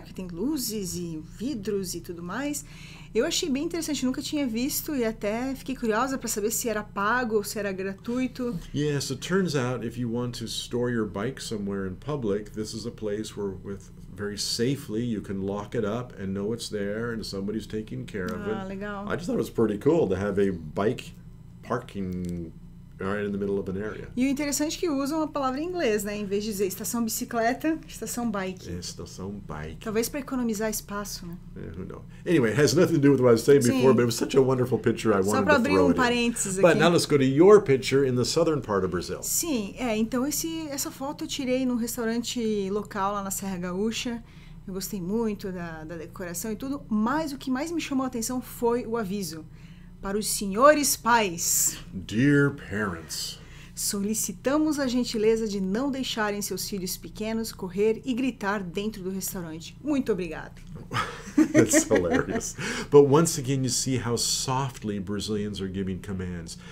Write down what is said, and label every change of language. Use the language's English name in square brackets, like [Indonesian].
[Portuguese] Porque tem luzes e vidros e tudo mais. Eu achei bem interessante, nunca tinha visto e até fiquei curiosa para saber se era pago ou se era gratuito. [English] Yeah, so turns out if you want to store your bike somewhere in public, this is a place where with very safely you can lock it up and know it's there and somebody's taking care of it. [Portuguese] Ah, legal. [English] I just thought it was pretty cool to have a bike parking right in the middle of an area. [Portuguese] E o interessante é que usam a palavra em inglês, né? Em vez de dizer estação bicicleta, estação bike. Estação bike. Talvez para economizar espaço, né? [English] Yeah, who knows? Anyway, it has nothing to do with what I was saying before, but it was such a wonderful picture I wanted to throw [Portuguese] in. Só para abrir um parênteses aqui. [English] But now let's go to your picture in the southern part of Brazil. [Portuguese] Sim, é. Então essa foto eu tirei num restaurante local lá na Serra Gaúcha. Eu gostei muito da decoração e tudo, mas o que mais me chamou a atenção foi o aviso. Para os senhores pais. [English] Dear parents. [Portuguese] Solicitamos a gentileza de não deixarem seus filhos pequenos correr e gritar dentro do restaurante. Muito obrigado. [English] That's hilarious. But once again, you see how softly Brazilians are giving commands.